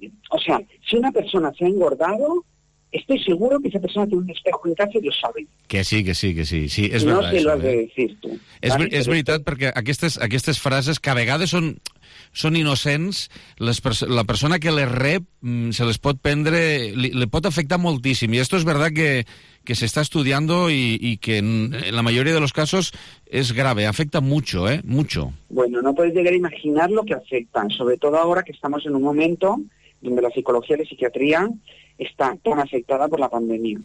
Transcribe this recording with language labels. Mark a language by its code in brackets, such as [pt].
[es] O sea, si una persona se ha engordado, estoy seguro que esa persona tiene un espejo en casa y lo sabe. Que sí. És no verdad, te lo has de decir tú. [ca] És veritat, perquè aquestes frases que a vegades són innocents, la persona que les rep se les pot prendre, li pot afectar moltíssim. [es] I esto es verdad que se está estudiando y que en la mayoría de los casos es grave, afecta mucho, ¿eh? Mucho. Bueno, no puedes llegar a imaginar lo que afecta, sobre todo ahora que estamos en un momento donde la psicología y la psiquiatría está tan afectada por la pandemia.